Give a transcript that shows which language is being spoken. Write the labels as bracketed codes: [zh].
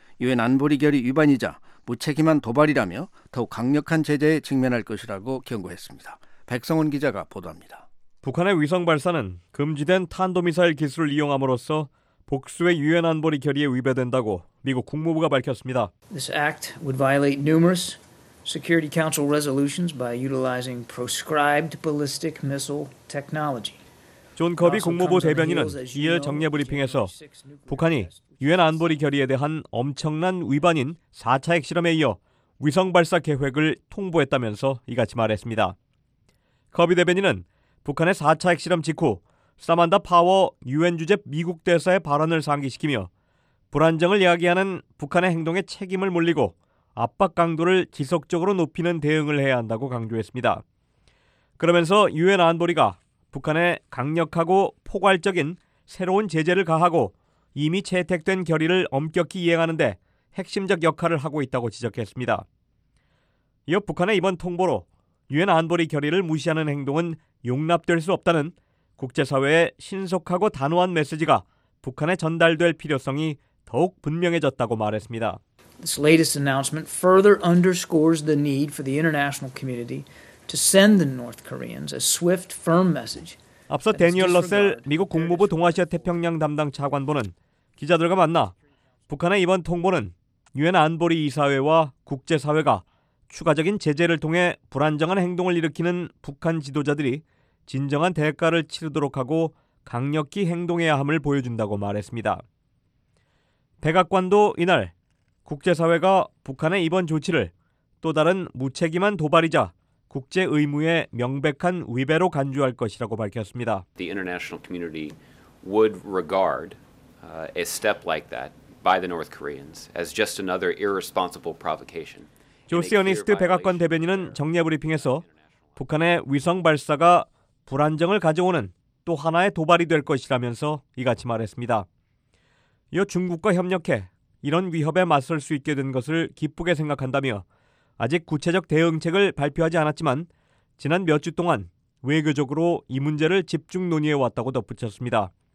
[ko] 유엔 안보리 결의 위반이자 무책임한 도발이라며 더욱 강력한 제재에 직면할 것이라고 경고했습니다. 백성원 기자가 보도합니다. 북한의 위성 발사는 금지된 탄도미사일 기술을 이용함으로써 복수의 유엔 안보리 결의에 위배된다고 미국 국무부가 밝혔습니다. [en] This act would violate numerous Security Council resolutions by utilizing proscribed ballistic missile technology. [ko] 존 커비 국무부 대변인은 이에 정례 브리핑에서 북한이 유엔 안보리 결의에 대한 엄청난 위반인 4차 핵실험에 이어 위성 발사 계획을 통보했다면서 이같이 말했습니다. 커비 대변인은 북한의 4차 핵실험 직후 사만다 파워 유엔 주재 미국 대사의 발언을 상기시키며 불안정을 야기하는 북한의 행동에 책임을 물리고 압박 강도를 지속적으로 높이는 대응을 해야 한다고 강조했습니다. 그러면서 유엔 안보리가 북한에 강력하고 포괄적인 새로운 제재를 가하고 이미 채택된 결의를 엄격히 이행하는데 핵심적 역할을 하고 있다고 지적했습니다. 이어 북한의 이번 통보로 유엔 안보리 결의를 무시하는 행동은 용납될 수 없다는 국제사회의 신속하고 단호한 메시지가 북한에 전달될 필요성이 더욱 분명해졌다고 말했습니다. [en] This latest announcement further underscores the need for the international community to send the North Koreans a swift, firm message. [ko] 앞서 대니얼 러셀 미국 국무부 동아시아 태평양 담당 차관보는 기자들과 만나 북한의 이번 통보는 유엔 안보리 이사회와 국제사회가 추가적인 제재를 통해 불안정한 행동을 일으키는 북한 지도자들이 진정한 대가를 치르도록 하고 강력히 행동해야 함을 보여준다고 말했습니다. 백악관도 이날 국제사회가 북한의 이번 조치를 또 다른 무책임한 도발이자 국제 의무의 명백한 위배로 간주할 것이라고 밝혔습니다. [en] The international community would regard a step like that by the North Koreans as just another irrespponsible provocation. [ko] 조시 어니스트 백악관 대변인은 정례 브리핑에서 북한의 위성 발사가 불안정을 가져오는 또 하나의 도발이 될 것이라면서 이같이 말했습니다. 이어 중국과 협력해 이런 위협에 맞설 수 있게 된 것을 기쁘게 생각한다며 아직 구체적 대응책을 발표하지 않았지만 지난 몇 주 동안 외교적으로 이 문제를 집중 논의해왔다고 덧붙였습니다.